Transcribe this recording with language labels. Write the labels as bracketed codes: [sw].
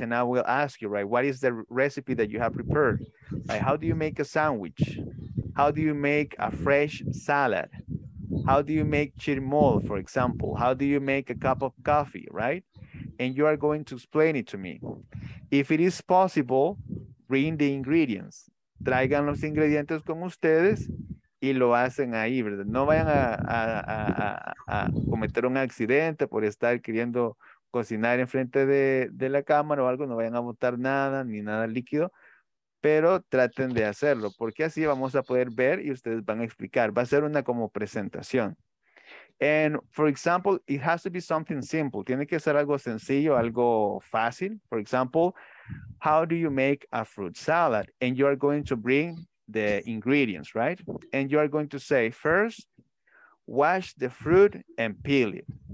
[en] And I will ask you, right? What is the recipe that you have prepared? Like, how do you make a sandwich? How do you make a fresh salad? How do you make chirimol, for example? How do you make a cup of coffee, right? And you are going to explain it to me. If it is possible, bring the ingredients. [es] Traigan los ingredientes con ustedes y lo hacen ahí, ¿verdad? No vayan a cometer un accidente por estar queriendo cocinar enfrente de la cámara o algo, no vayan a botar nada ni nada líquido, pero traten de hacerlo, porque así vamos a poder ver y ustedes van a explicar. Va a ser una como presentación. [en] And for example, it has to be something simple. [es] Tiene que ser algo sencillo, algo fácil. [en] For example, how do you make a fruit salad? And you are going to bring the ingredients, right? And you are going to say, first, wash the fruit and peel it.